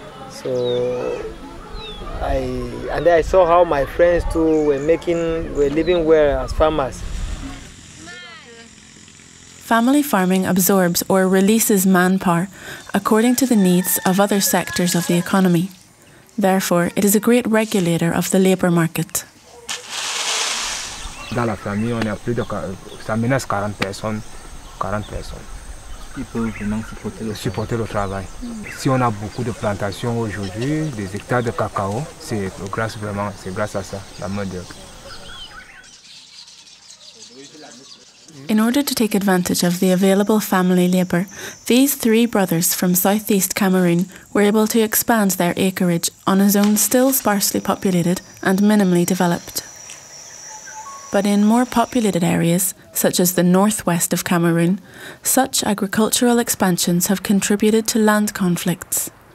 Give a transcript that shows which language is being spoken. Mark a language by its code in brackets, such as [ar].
[en] So I saw how my friends too were living well as farmers. Family farming absorbs or releases manpower according to the needs of other sectors of the economy. Therefore, it is a great regulator of the labour market. [fr] Dans la famille, on est plus de 40 personnes. 40 personnes. Ils peuvent vraiment supporter le travail. Si on a beaucoup de plantations aujourd'hui, des hectares de cacao, c'est grâce à ça, la main d'œuvre. [en] In order to take advantage of the available family labour, these three brothers from southeast Cameroon were able to expand their acreage on a zone still sparsely populated and minimally developed. But in more populated areas, such as the northwest of Cameroon, such agricultural expansions have contributed to land conflicts.